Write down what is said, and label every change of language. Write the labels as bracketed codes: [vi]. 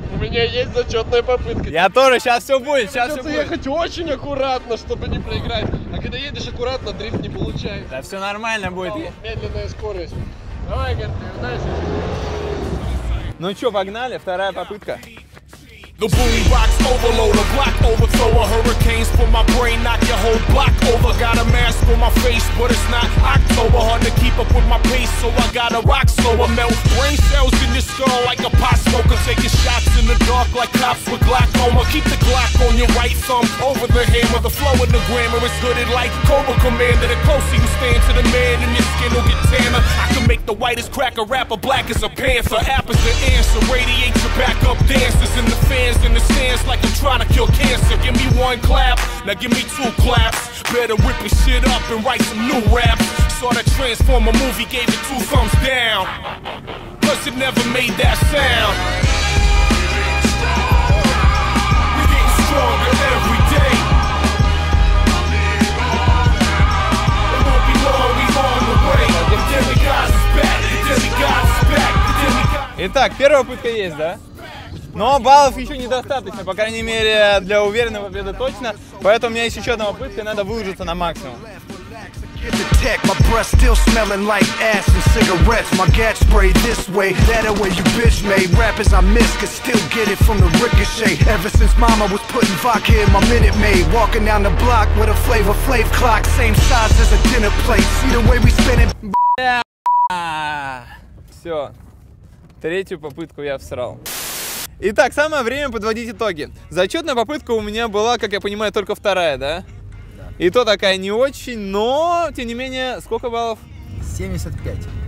[ru] У меня есть зачетная попытка. Я тоже, сейчас все будет, сейчас все будет. Придется ехать очень аккуратно, чтобы не проиграть. А когда едешь аккуратно, дрифт не получается. Да все нормально будет. Медленная скорость. Давай, Гертли, удачи. Ну что, погнали, вторая попытка. [en] The boombox overload, a block overthrow, a hurricane for my brain, knock your whole block over. Got a mask on my face, but it's not October. Hard to keep up with my pace, so I gotta rock slower. Melt brain cells in your skull like a pot smoker. Taking shots in the dark like cops with glaucoma. Keep the Glock on your right thumb over the hammer. The flow and the grammar is hooded like Cobra Commander. The closer you stand to the man, and your skin will get tanner. I can make the whitest cracker rapper black as a panther. App is the answer, radiate your backup dancers in the fan. In the stands like I'm trying to kill cancer. Give me one clap, now give me two claps. Better rip your shit up and write some new raps. Saw that Transformer movie, gave it two thumbs down. Plus it never made that sound. We're getting stronger every day. It won't be long, we on the way. The demigods is back, the demigods is back, the demigods. [ru] Итак, первая попытка есть, да? Но баллов еще недостаточно, по крайней мере, для уверенной победы точно. Поэтому у меня есть еще одна попытка, и надо выложиться на максимум. [en] Get the tech, my breath still smelling like ass and cigarettes. My gat spray this way, that away you bitch made. Rappers I miss could still get it from the ricochet. Ever since mama was putting vodka in my Minute Maid. Walking down the block with a Flavor Flav clock. Same size as a dinner plate, see the way we spinning. [ru] Все, третью попытку я всрал. Итак, самое время подводить итоги. Зачетная попытка у меня была, как я понимаю, только вторая, да? Да. И то такая не очень, но, тем не менее, сколько баллов? 75.